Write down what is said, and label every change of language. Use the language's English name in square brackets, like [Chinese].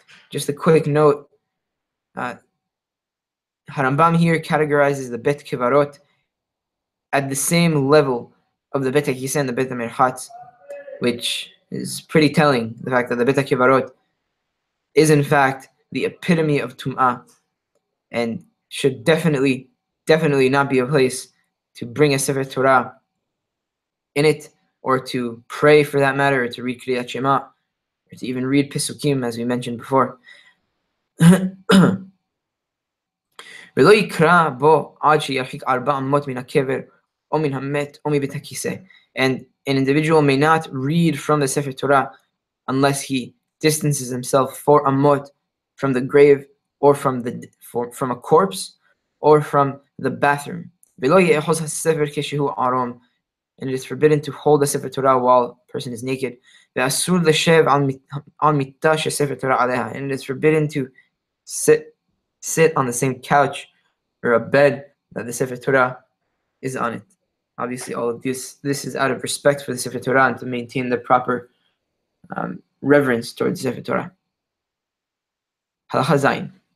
[English] Just a quick note, Harambam here categorizes the bet kevarot at the same level of the bet hakiseh and the bet hamerchatz, which is pretty telling, the fact that the bet hakevarot is in fact the epitome of tum'ah and should definitely, definitely not be a place to bring a sefer Torah in it, or to pray for that matter, or to read Kriyat Shema, or to even read Pesukim, as we mentioned before. [Hebrew] ולא יקרא בו עד שירחיק ארבע אמות מן הקבר, או מן המת, או מבית הכיסא. [English] And an individual may not read from the Sefer Torah unless he distances himself four amot from the grave, or from a corpse, or from the bathroom. [Hebrew] ולא יאחוז הספר כשהוא ערום. [English] And it is forbidden to hold a Sefer Torah while a person is naked. [Hebrew] ואסור לשב על מיטה שספר תורה עליה. [English] And it is forbidden to sit on the same couch or a bed that the Sefer Torah is on it. Obviously, all of this is out of respect for the Sefer Torah and to maintain the proper reverence towards the Sefer Torah. Halacha Zayin.